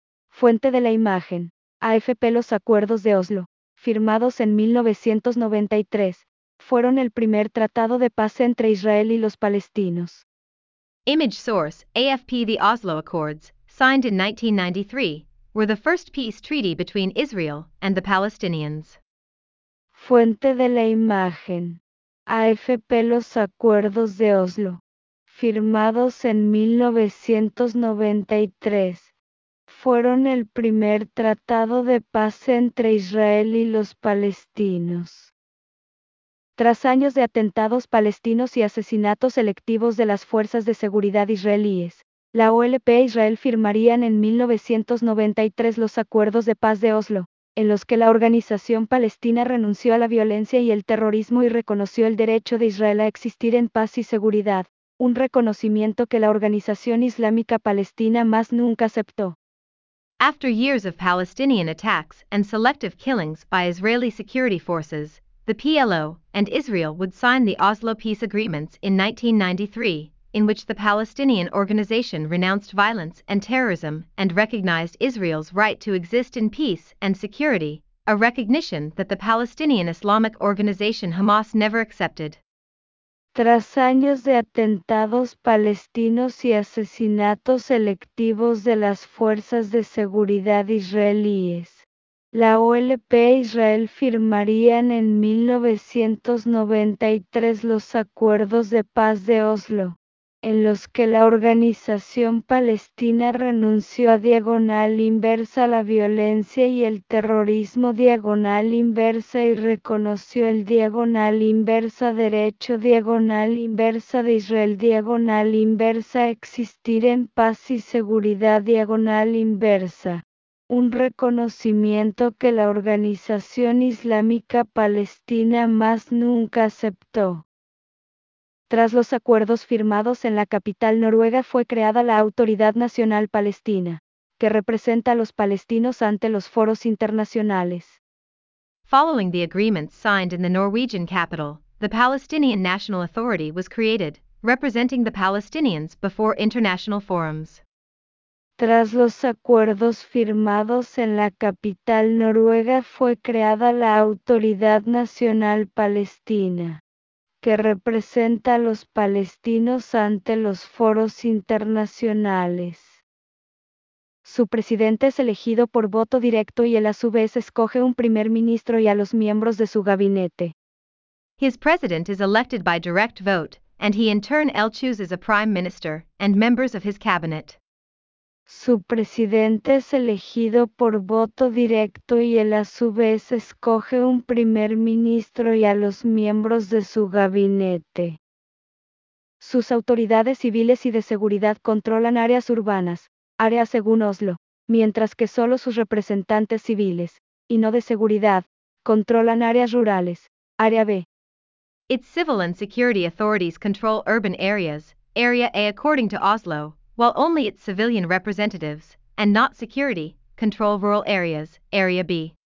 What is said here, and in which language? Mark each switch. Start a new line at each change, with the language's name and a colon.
Spanish: Fuente de la imagen, AFP. Los acuerdos de Oslo, firmados en 1993, fueron el primer tratado de paz entre Israel y los palestinos.
English: Image source, AFP. The Oslo Accords, signed in 1993, were the first peace treaty between Israel and the Palestinians.
Spanish: Fuente de la imagen, AFP. Los acuerdos de Oslo, firmados en 1993, fueron el primer tratado de paz entre Israel y los palestinos. Tras años de atentados palestinos y asesinatos selectivos de las fuerzas de seguridad israelíes, la OLP e Israel firmarían en 1993 los Acuerdos de Paz de Oslo, en los que la organización palestina renunció a la violencia y el terrorismo y reconoció el derecho de Israel a existir en paz y seguridad, un reconocimiento que la Organización Islámica Palestina más nunca aceptó.
English: After years of Palestinian attacks and selective killings by Israeli security forces, the PLO and Israel would sign the Oslo peace agreements in 1993, in which the Palestinian organization renounced violence and terrorism and recognized Israel's right to exist in peace and security, a recognition that the Palestinian Islamic organization Hamas never accepted.
Spanish: Tras años de atentados palestinos y asesinatos selectivos de las fuerzas de seguridad israelíes, la OLP e Israel firmarían en 1993 los Acuerdos de Paz de Oslo, en los que la organización palestina renunció a diagonal inversa la violencia y el terrorismo diagonal inversa y reconoció el diagonal inversa derecho diagonal inversa de Israel diagonal inversa existir en paz y seguridad diagonal inversa, un reconocimiento que la organización islámica palestina más nunca aceptó. Tras los acuerdos firmados en la capital noruega fue creada la Autoridad Nacional Palestina, que representa a los palestinos ante los foros internacionales.
English: Following the agreements signed in the Norwegian capital, the Palestinian National Authority was created, representing the Palestinians before international forums.
Spanish: Tras los acuerdos firmados en la capital noruega fue creada la Autoridad Nacional Palestina, que representa a los palestinos ante los foros internacionales. Su presidente es elegido por voto directo y él a su vez escoge un primer ministro y a los miembros de su gabinete.
English: His president is elected by direct vote, and he in turn chooses a prime minister and members of his cabinet.
Spanish: Su presidente es elegido por voto directo y él a su vez escoge un primer ministro y a los miembros de su gabinete. Sus autoridades civiles y de seguridad controlan áreas urbanas, áreas según Oslo, mientras que solo sus representantes civiles, y no de seguridad, controlan áreas rurales, área B.
English: Its civil and security authorities control urban areas, area A according to Oslo, while only its civilian representatives, and not security, control rural areas, area B.